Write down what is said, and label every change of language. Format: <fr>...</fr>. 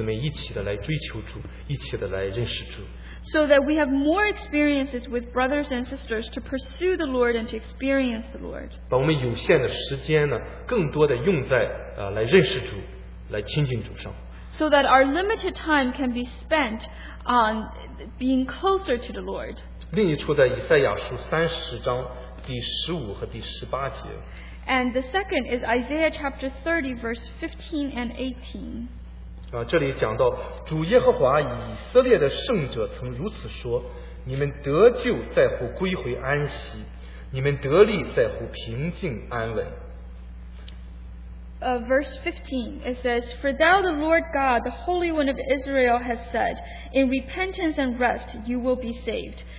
<zh>这样使得我们能有更多的精力和弟兄姊妹一起的来追求主，一起的来认识主。</zh> <en>So that we have more experiences with brothers and sisters to pursue the Lord and to experience the Lord.</en> <zh>把我们有限的时间呢，更多的用在来认识主，来亲近主上。</zh> <en>So that our limited time can be spent on being closer to the Lord.</en> <zh>另一处在以赛亚书30章第15和第18节。</zh> <en>And the second is Isaiah chapter 30, verse 15 and 18.</en> <zh>这里讲到主耶和华以色列的圣者曾如此说，你们得救在乎归回安息，你们得力在乎平静安稳。</zh> <en>Verse 15, it says, For thou the Lord God, the Holy One of Israel, has said, In repentance and rest you will be saved.</en>